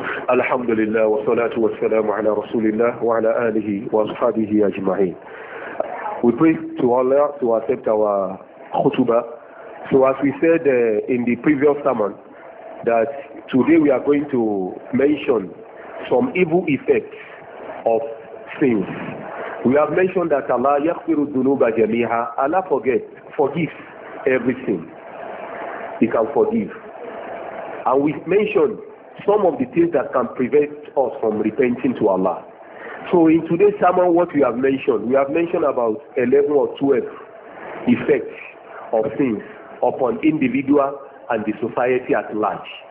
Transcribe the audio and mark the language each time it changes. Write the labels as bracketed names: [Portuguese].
[Arabic] الحمد لله والصلاة والسلام على رسول الله وعلى آله وأصحابه أجمعين. [English] We pray to Allah to accept our khutbah. So as we said in the previous sermon, that today we are going to mention some evil effects of sins. We have mentioned that Allah [Arabic] يغفر الذنوب جميعا. [English] Allah forgives everything. He can forgive. And we mentioned some of the things that can prevent us from repenting to Allah. So in today's sermon, what we have mentioned about 11 or 12 effects of sins upon individual and the society at large.